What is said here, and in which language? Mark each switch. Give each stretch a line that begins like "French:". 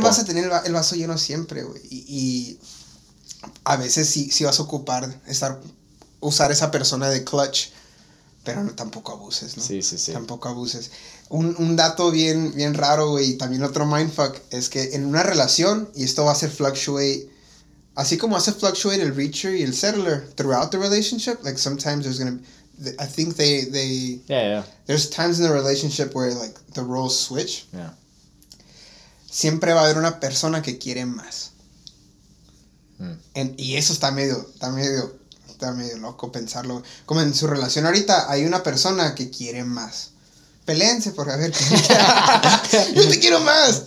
Spanish: No siempre vas a tener el vaso lleno siempre, güey. Y a veces sí vas a ocupar, usar esa persona de clutch, pero no, tampoco abuses, ¿no? Sí, sí, sí. Tampoco abuses. Un dato bien, bien raro, güey, y también otro mindfuck, es que en una relación, y esto va a hacer fluctuate, así como hace fluctuate el reacher y el settler
English: throughout the relationship, like sometimes there's going to be... I think they there's times in the relationship where like the roles switch. Yeah.
Spanish: Siempre va a haber una persona que quiere más. Y eso está medio loco pensarlo. Como en su relación ahorita hay una persona que quiere más. Peléense por a ver. Yo te quiero más.